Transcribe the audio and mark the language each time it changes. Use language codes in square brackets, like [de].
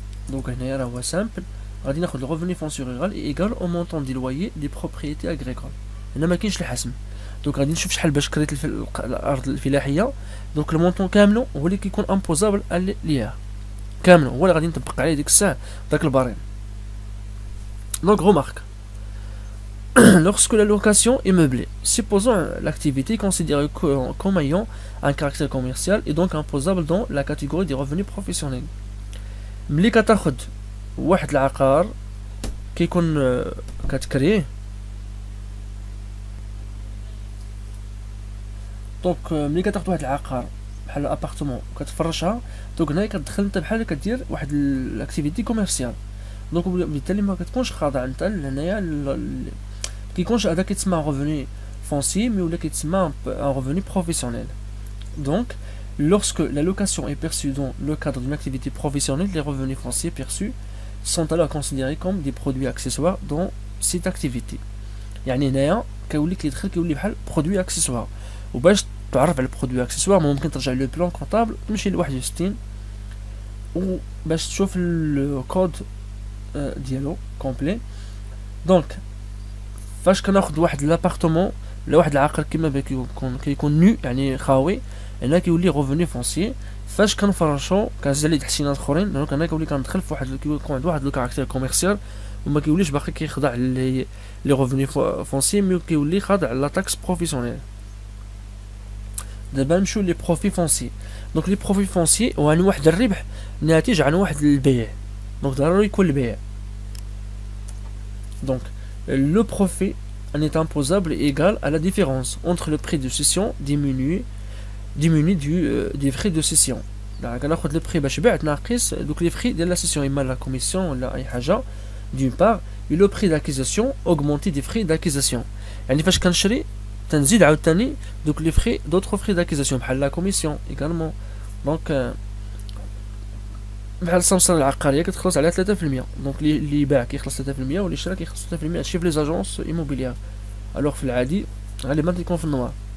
[ar] دونك هنايا راه هو سامبل، غادي ناخذ الريفوني فونسي رورال ايغال او مونطون دي لويي دي بروبريتي اغريكول، هنا ما كاينش الحسم. دونك غادي نشوف شحال باش كريت الارض الفلاحيه، دونك المونطون كامل هو اللي كيكون امبوزابل ليا كامل، هو اللي غادي نطبق عليه ديك الساعه داك البارين. دونك غومارك [fr] lorsque la location est meublée, supposons l'activité considérée comme ayant un caractère commercial et donc imposable dans la catégorie des revenus professionnels. [ar] ملي كتاخذ واحد العقار كيكون كتكري، دونك ملي كتاخذ واحد العقار بحال ابارتمون كتفرشها، دونك هنايا كتدخل انت بحال كدير واحد الاكتيفيتي كوميرسيال، دونك بالتالي ما كتكونش خاضع انت لهنايا كيكونش هذا كيتسمى ريفوني فونسي مي ولا كيتسمى ان ريفوني بروفيسيونيل. دونك [fr] lorsque la location est perçue dans le cadre d'une activité professionnelle, les revenus fonciers perçus sont alors considérés comme des produits accessoires dans cette activité. [ar] يعني هنايا كيولي كيدخل كيولي بحال برودوي اكسسوار، وباش تعرف على البرودوي اكسسوار ممكن ترجع لو بلان كونطابل تمشي ل 61 وباش تشوف الكود ديالو كومبلي. دونك فاش كناخد واحد لابارتمون ولا واحد العقار كيما بان كيكون كيكون نو يعني خاوي، هنا كيولي غوفوني فونسي. فاش كنفرشو كنزيد عليه تحسينات اخرين، دونك هنا كيولي كندخل في واحد كيكون عنده واحد لو كاركتير كوميرسيال، وما كيوليش باقي كيخضع لي غوفوني فونسي مي كيولي خاضع لا تاكس بروفيسيونيل. دابا نمشيو لي بروفي فونسي، دونك لي بروفي فونسي هو عن واحد الربح ناتج عن واحد البيع، دونك ضروري يكون البيع. دونك [fr] le profit en est imposable égal à la différence entre le prix de cession diminué du frais de cession. Donc on a le prix [ar] باش بعت ناقص دوك لي فري ديال لا سيسيون اما لا كوميسيون ولا اي حاجه [fr] d'une part et le prix d'acquisition augmenté des frais d'acquisition. [ar] يعني فاش كنشري تنزيد عاوتاني دوك لي فري [fr] d'autres frais d'acquisition [ar] بحال لا كوميسيون également. Donc بحال سامسونج العقاريه كتخلص عليها 3%، دونك اللي باع كيخلص 3% واللي شرا كيخلص 3%، شيف لي زاجونس ايموبيليير الوغ في العادي غير لي مانتيكون في النوار.